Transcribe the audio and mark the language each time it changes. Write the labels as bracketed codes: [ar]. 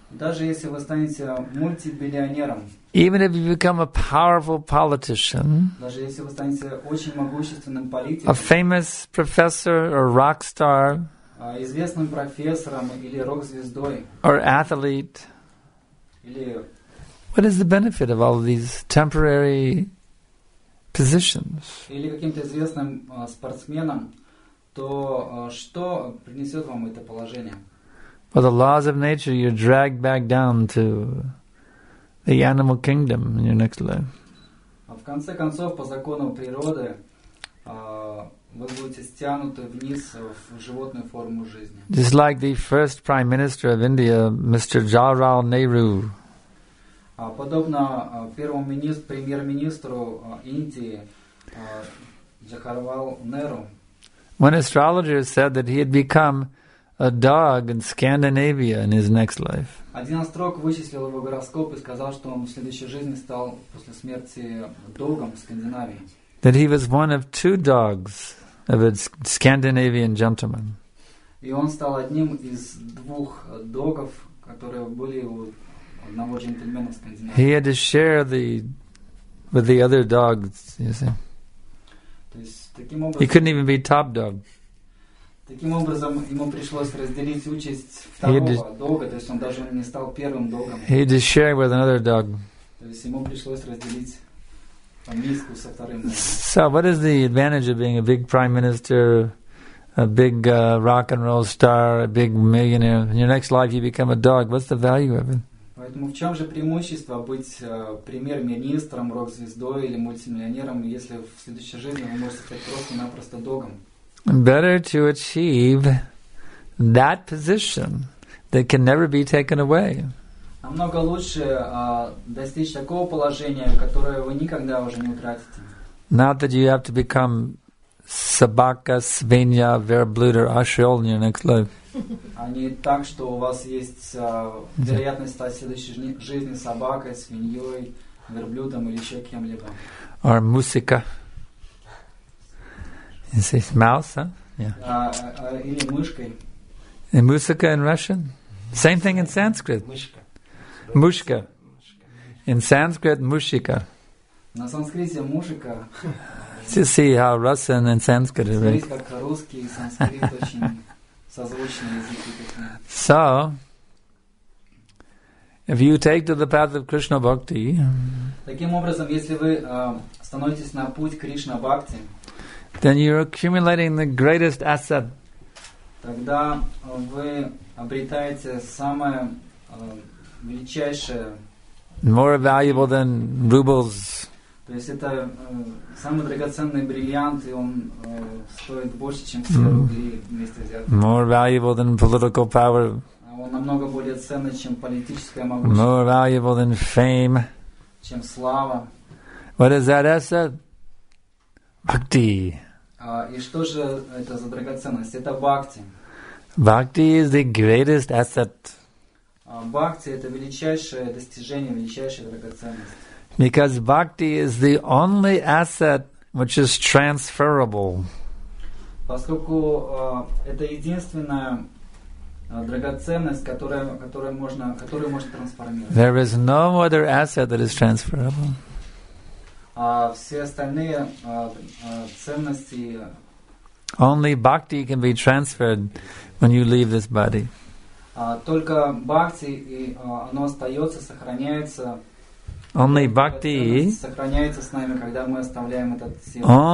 [ru] даже если вы станете мультибиллионером, [en] even if you become a powerful politician, [ru] даже если вы станете очень могущественным политиком, [en] a famous professor or rock star, [ru] известным профессором или рок-звездой, [en] or athlete, [ru] или [en] what is the benefit of all of these temporary positions? [ru] Или каким-то известным спортсменом? То что принесет вам это положение? [en] By the laws of nature, you're dragged back down to the animal kingdom in your next life. [ru] В конце концов, по закону природы, вы будете стянуты вниз в животную форму жизни. [en] Just like the first prime minister of India, Mr. Jawaharlal Nehru. [ru] Подобно первому премьер-министру Индии, Джавахарлал Нехру. [en] When astrologers said that he had become a dog in Scandinavia in his next life. [ru] Один астролог вычислил его гороскоп и сказал, что он в следующей жизни стал после смерти догом в Скандинавии. [en] That he was one of two dogs of a Scandinavian gentleman. [ru] И он стал одним из двух догов, которые были у одного джентльмена в Скандинавии. [en] He had to share with the other dogs, you see. He couldn't even be top dog. [ru] Таким образом, ему пришлось разделить участь второго дога, то есть он даже не стал первым догом. [en] He had to share with another dog. [ru] То есть ему пришлось разделить миску со вторым догом. [en] So, what is the advantage of being a big prime minister, a big rock and roll star, a big millionaire? In your next life, you become a dog. What's the value of it? [ru] Поэтому в чем же преимущество быть премьер-министром, рок-звездой или мультимиллионером, если в следующей жизни вы можете стать просто-напросто догом? [en] Better to achieve that position that can never be taken away. [ru] Намного лучше достичь такого положения, которое вы никогда уже не утратите. [en] Not that you have to become [ru] собака, свинья, верблюдер, осел, не знаю. Они так, что у вас есть вероятность стать в следующей жизни собакой, свиньей, верблюдом или еще кем-либо. [en] Or musica. Is this mouse, huh? [ru] Yeah. Или мышкой. [en] And musica in Russian? Same thing in Sanskrit. Mushka. In Sanskrit, mushika. [ru] На санскрите мушика. [en] To see how Russian and Sanskrit are related. [ru] Смотрите, как русский и санскрит очень созвучные языки. [en] So, if you take to the path of Krishna Bhakti, [ru] таким образом, если вы становитесь на путь Кришна Бхакти, [en] then you're accumulating the greatest asset. [ru] Тогда вы обретаете самое величайшее. [en] More valuable than rubles. [ru] То есть это самый драгоценный бриллиант, и он стоит больше, чем все рубли вместе взятые. [en] More valuable than political power. [ru] Он намного более ценный, чем политическое могущество. [en] More valuable than fame. [ru] Чем слава. [en] What is that asset? Bhakti. [ru] И что же это за драгоценность? Это бхакти. [en] Bhakti is the greatest asset. [ru] Бхакти — это величайшее достижение, величайшая драгоценность. [en] Because bhakti is the only asset which is transferable. [ru] Поскольку это единственная драгоценность, которую можно трансформировать. [en] There is no other asset that is transferable. [ru] Все остальные ценности. [en] Only bhakti can be transferred when you leave this body. [ru] Только бхакти, и оно остается, сохраняется. [en] Only bhakti. [ru] Сохраняется с нами, когда мы оставляем этот тело.